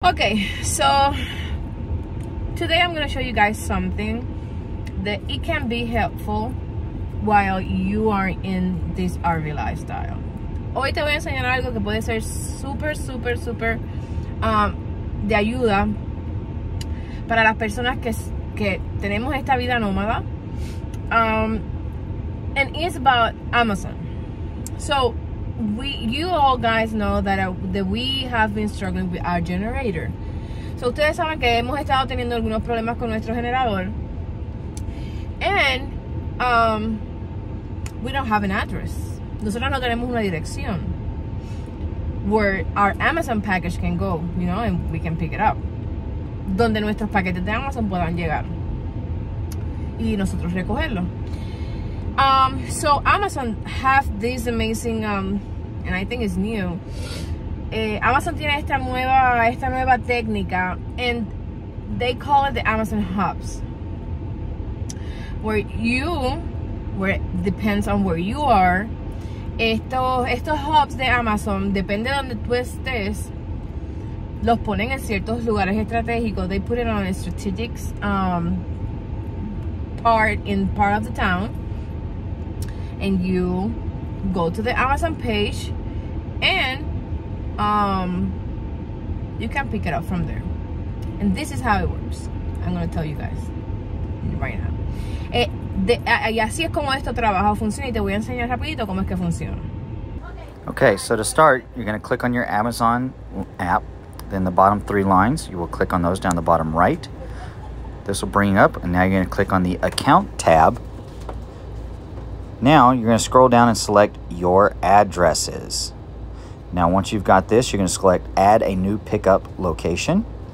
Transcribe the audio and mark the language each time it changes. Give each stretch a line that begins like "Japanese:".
English: Okay, so today I'm gonna show you guys something that it can be helpful while you are in this RV lifestyle.
Spanish: Hoy te voy a enseñar algo que puede ser super, super, super de ayuda para las personas que tenemos esta vida nómada.
English: And it's about Amazon. So you all guys know that we have been struggling with our generator.
Spanish: So ustedes saben que hemos estado teniendo algunos problemas con nuestro generador.
English: And we don't have an address.
Spanish: Nosotros no tenemos una dirección
English: where our Amazon package can go, you know, and we can pick it up.
Spanish: Donde nuestros paquetes de Amazon puedan llegar y nosotros recogerlo.
English: So Amazon have this amazing, and I think it's new.
Spanish: Amazon tiene esta nueva técnica,
English: and they call it the Amazon Hubs, where it depends on where you are.
Spanish: Estos hubs de Amazon, depende de donde tú estés, los ponen en ciertos lugares estratégicos.
English: They put it on a strategic part of the town. And you go to the Amazon page and you can pick it up from there. And this is how it works. I'm going to tell you guys right now.
Spanish: Y así es como esto trabaja o funciona, y te voy a enseñar rapidito cómo es que funciona.
English: Okay, so to start, you're going to click on your Amazon app. Then the bottom three lines, you will click on those down the bottom right. This will bring up, and now you're going to click on the account tab. Now you're going to scroll down and select your addresses. Now once you've got this, you're going to select add a new pickup location.